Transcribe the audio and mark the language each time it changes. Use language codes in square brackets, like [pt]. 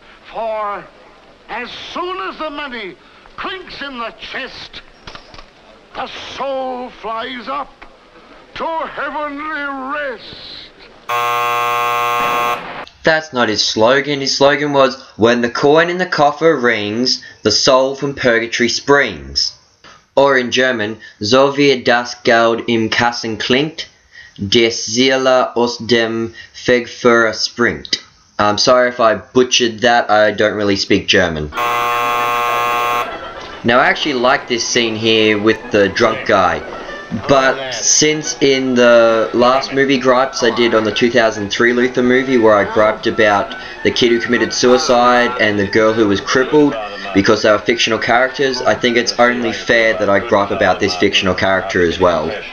[en] For as soon as the money clinks in the chest, the soul flies up to heavenly rest. That's not his slogan. His slogan was, when the coin in the coffer rings, the soul from purgatory springs. Or in German, [de] so wie das Geld im Kassen klingt, der Seele aus dem Fegfeuer springt. [en] I'm sorry if I butchered that, I don't really speak German. Now I actually like this scene here with the drunk guy. But since in the last movie gripes I did on the 2003 Luther movie, where I griped about the kid who committed suicide and the girl who was crippled because they were fictional characters, I think it's only fair that I gripe about this fictional character as well.